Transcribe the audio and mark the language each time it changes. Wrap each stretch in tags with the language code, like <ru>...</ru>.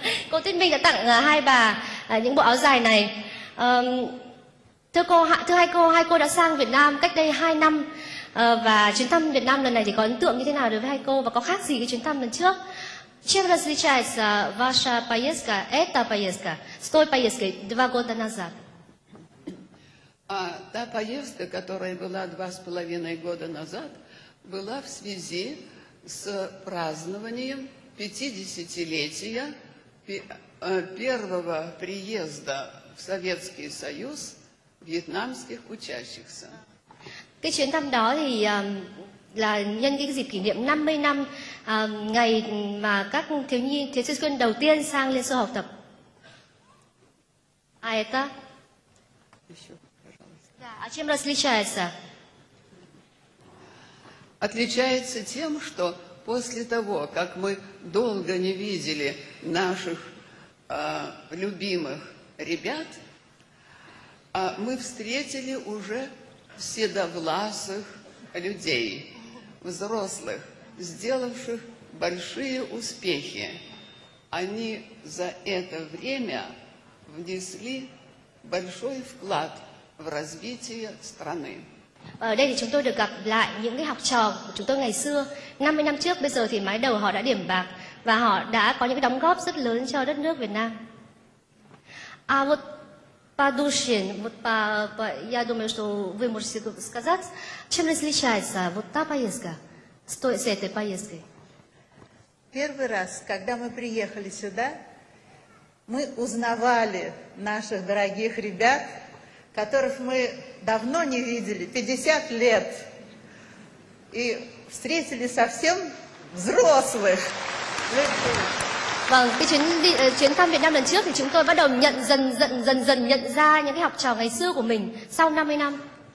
<vi>Cô Tuyết Minh đã tặng hai bà những bộ áo dài này. Thưa hai cô đã sang Việt Nam cách đây 2 năm và chuyến thăm Việt Nam lần này thì có ấn tượng như thế nào đối với hai cô và có khác gì cái chuyến thăm lần trước?</vi> <ru>Чем различается ваша поездка, эта поездка, с той поездкой 2 года назад? А та поездка, которая была 2,5 года назад, была в связи с празднованием 50-летия первого приезда в Советский Союз вьетнамских учащихся.</ru> <vi>Cái chuyến thăm đó thì là nhân cái dịp kỷ niệm 50 năm ngày mà các thiếu sinh đầu tiên sang Liên Xô học tập.</vi> <ru>А это? Да, а чем различается? Отличается тем, что после того, как мы долго не видели наших любимых ребят, мы встретили уже седовласых людей, взрослых, сделавших большие успехи. Они за это время внесли большой вклад в развитие страны.</ru> <vi>Ở đây thì chúng tôi được gặp lại những cái học trò của chúng tôi ngày xưa, 50 năm trước, bây giờ thì mái đầu họ đã điểm bạc và họ đã có những cái đóng góp rất lớn cho đất nước Việt Nam.</vi> <ru>А вот подушин, вот по, я думаю, что вы можете сказать, чем различается вот та поездка с той, с этой поездкой? Первый раз, когда мы приехали сюда, мы узнавали наших дорогих ребят, которых мы давно не видели, 50 лет, и встретили совсем взрослых.</ru> <vi>Vâng, cái chuyến thăm Việt Nam lần trước thì chúng tôi bắt đầu dần dần nhận ra những cái học trò ngày xưa của mình sau 50 năm.</vi>